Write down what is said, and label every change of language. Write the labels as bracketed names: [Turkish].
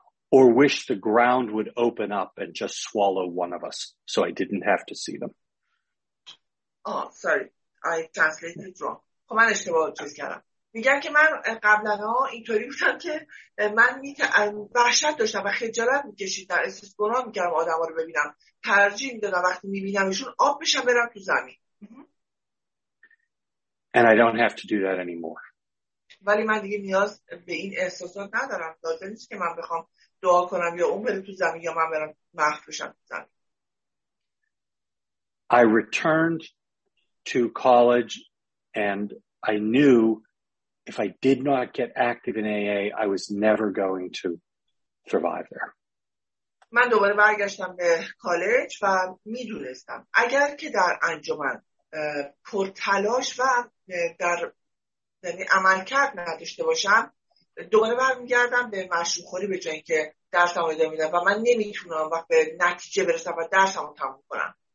[English] Or wish the ground would open up and just swallow one of us so I didn't have to see them. Oh, sorry. I translated it wrong. [Persian] خب من اشتباه چیز کردم. میگم که من قبلنها اینطوری بودم که من وحشت داشتم و خجالت میکشید در احساس گناه میکردم آدم ها رو ببینم. ترجیح میدادم وقتی میبینمشون آب بشم برم تو زمین. [English] And I don't have to do that anymore. [Persian] ولی من دیگه نیاز به این احساسات ندارم. لازم نیست که من بخوام دعا کنم یا اون بره تو زمین یا من برم مخف بشم تو زمین. [English] I returned to college and I knew if I did not get active in AA, I was never going to survive there. [Persian] من دوباره برگشتم به کالج و میدونستم اگر که در انجمن پر تلاش و در عملکرد نداشته باشم دوباره برمیگردم به مشروب‌خوری به جای اینکه درسمو ادامه بدم و من نمیتونم وقت به نتیجه برسم و درسمو تموم کنم.